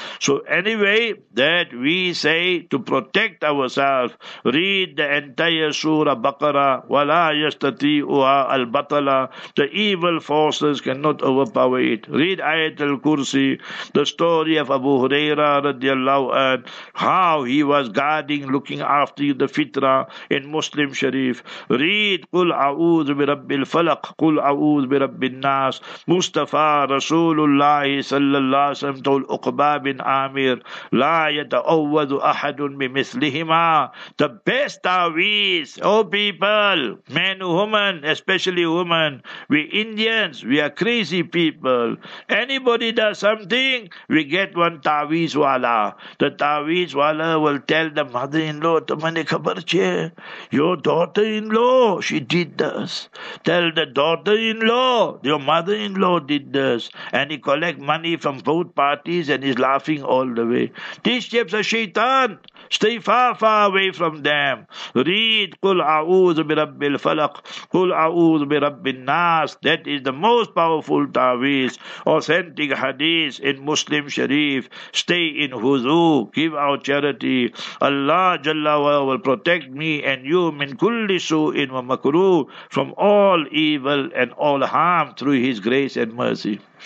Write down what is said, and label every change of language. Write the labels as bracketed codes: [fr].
[en] So anyway, that we say to protect ourselves, read the entire Surah Baqarah, [ar] وَلَا يَسْتَطِيعُهَا الْبَطَلَ. [en] The evil forces cannot overpower it. Read Ayat al-Kursi, the story of Abu Huraira radiallahu anhu, how he was guarding, looking after the fitrah in Muslim Sharif. [ar] Read قُلْ أَعُوذُ بِرَبِّ الْفَلَقِ فلق قل أعوذ برب الناس مصطفى رسول الله صلى الله عليه وسلم تقول أقبى بن عامر لا يتأوذ أحد بمثلهما. [en] The best taweez, oh people, men, women, especially women, we Indians, we are crazy people. Anybody does something, we get one taweez wala. The taweez wala will tell the mother-in-law, [gu] tumhane khabar che, [en] your daughter-in-law, she did this. Tell the daughter-in-law, your mother-in-law did this, and he collect money from both parties and is laughing all the way. These chaps are shaitan. Stay far, far away from them. [ar] Read قُلْ أَعُوذُ بِرَبِّ الْفَلَقِ قُلْ أَعُوذُ بِرَبِّ النَّاسِ. [en] That is the most powerful taweez. Authentic hadith in Muslim Sharif. Stay in huzu. Give out charity. Allah Jalla wa will protect me and you [ar] min kulli su'in wa makruh, [en] from all evil and all harm through His grace and mercy.